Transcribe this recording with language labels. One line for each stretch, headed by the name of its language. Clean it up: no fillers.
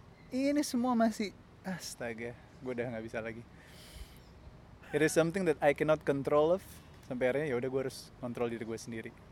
Indonesian: Ini semua masih, astaga, gue udah enggak bisa lagi.
English: It is something that I cannot control of.
Indonesian: Sampai akhirnya ya udah gue harus kontrol diri gue sendiri.